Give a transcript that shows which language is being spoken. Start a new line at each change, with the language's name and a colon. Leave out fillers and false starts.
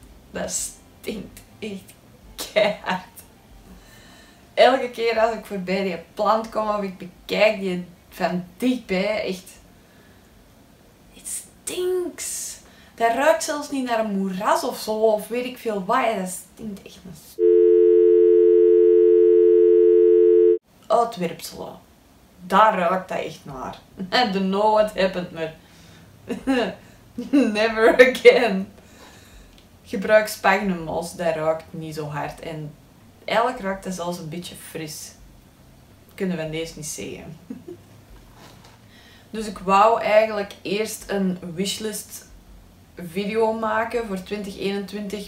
Dutch: Dat stinkt echt keihard. Elke keer als ik voorbij die plant kom of ik bekijk die van dichtbij, echt,
English: it stinks.
Dutch: Dat ruikt zelfs niet naar een moeras of zo, of weet ik veel wat. Dat stinkt echt een uitwerpselen. Daar ruikt dat echt naar.
English: I don't know what happened, maar never again.
Dutch: Gebruik sphagnum mos, dat ruikt niet zo hard en eigenlijk ruikt het zelfs een beetje fris. Kunnen we deze niet zeggen. Dus ik wou eigenlijk eerst een wishlist video maken voor 2021.